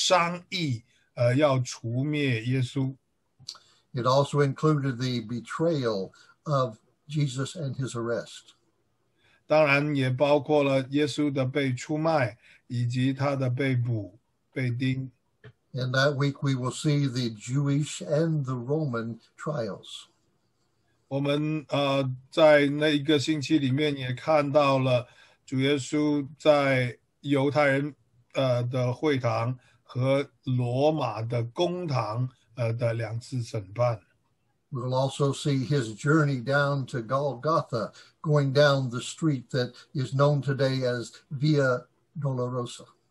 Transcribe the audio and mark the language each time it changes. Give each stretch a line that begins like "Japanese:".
Chinese: 这个那一个星期很重要的事情就是包括犹太人的公会怎样的商议要除灭耶稣。
English: It also included the betrayal of Jesus and his arrest.
Chinese: 当然也包括了耶稣的被出卖，以及他的被捕、被钉。
English: In that week, we will see the Jewish and the Roman trials.
Chinese: 我们在那一个星期里面也看到了主耶稣在犹太人的会堂和罗马的公堂。
English: We'll also see his journey down to Golgotha, going down the street that is known today as Via Dolorosa.